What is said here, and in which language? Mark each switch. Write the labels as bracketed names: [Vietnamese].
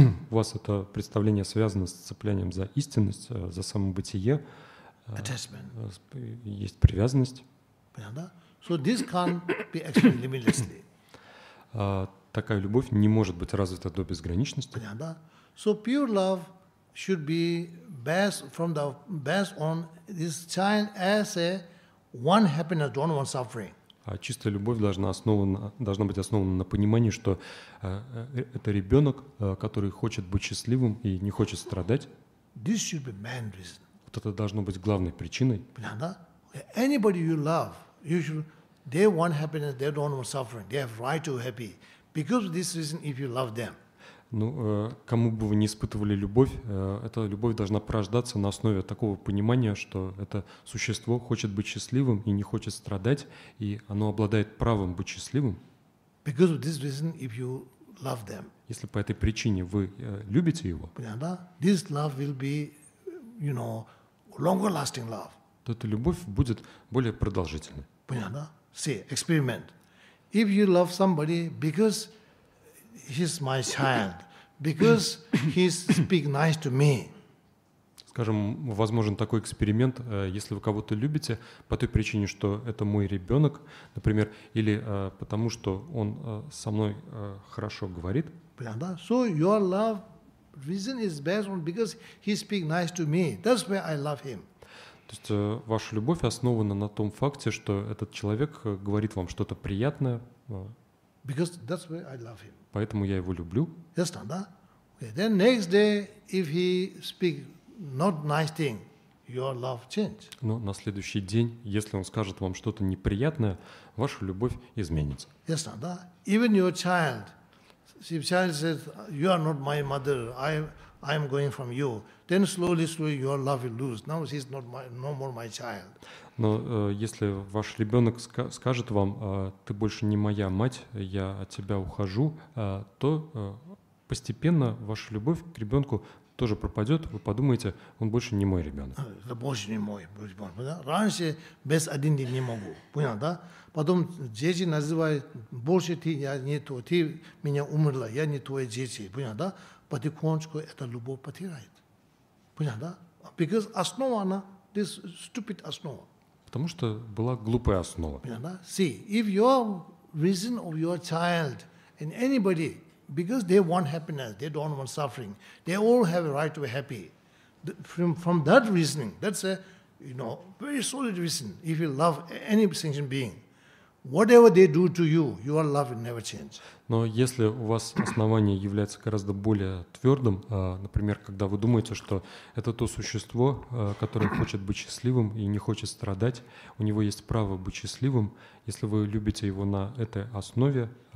[Russian] У вас это представление связано с цеплянием за истинность, за самобытие. [English] Attachment. [Russian] Есть привязанность. Понятно? [English] So this can't be explained limitlessly. [Russian] Такая любовь не может быть развита до безграничности. Понятно? [English] So pure love should be based from the based on this child as a one happiness, don't want suffering. [Russian] Чистая любовь должна быть основана на понимании, что это ребенок, который хочет быть счастливым и не хочет страдать. [English] This should be man reason. [Russian] вот это должно быть главной причиной. Понятно? [English] Anybody you love, you should, they want happiness, they don't want suffering. They have right to happy. Because of this reason, if you love them. [Russian] Ну, кому бы вы не испытывали любовь, эта любовь должна порождаться на основе такого понимания, что это существо хочет быть счастливым и не хочет страдать, и оно обладает правом быть счастливым. [English] Because of this reason, if you love them. [Russian] Если по этой причине вы любите его. Понятно? [English] This love will be, you know, longer lasting love. [Russian] То эта любовь будет более продолжительной. Понятно? [English] See, experiment. If you love somebody because he's my child, because he speak nice to me. [Russian] Скажем, возможен такой эксперимент, если вы кого-то любите по той причине, что это мой ребенок, например, или потому, что он со мной хорошо говорит. Понятно? [English] So your love reason is based on because he speak nice to me. That's why I love him. [Russian] То есть ваша любовь основана на том факте, что этот человек говорит вам что-то приятное. [English] Because that's why I love him. [Russian] Поэтому я его люблю. [English] Yes, no, no. Okay. Then next day, if he speak not nice thing, your love change. [Russian] Но на следующий день, если он скажет вам что-то неприятное, ваша любовь изменится. Yes, no, no. [English] Even your child, if child says you are not my mother, I'm going from you. Then slowly, slowly your love will lose. Now he's not my, no more my child. [Russian] Но если ваш ребенок скажет вам, ты больше не моя мать, я от тебя ухожу, то постепенно ваша любовь к ребенку тоже пропадет. Вы подумаете, он больше не мой ребенок. Это больше не мой ребенок. Да? Раньше без один день не могу. Понял, да? Потом дети называют, больше ты, я не то, ты меня умерла, я не твои дети. Понял, да? Потихонечку эта любовь потеряет. Понял, да? [English] Because [Russian] основа она, [English] this stupid [Russian] основа. Потому что была глупая основа. [English] See, if your reason of your child and anybody, because they want happiness, they don't want suffering, they all have a right to be happy. From that reasoning, that's a, you know, very solid reason. If you love any sentient being, whatever they do to you, your love will never change. [Russian] Но если у вас основание является гораздо более твердым, например, когда вы думаете, что это то существо, которое хочет быть счастливым и не хочет страдать, у него есть право быть счастливым, если вы любите его на этой основе,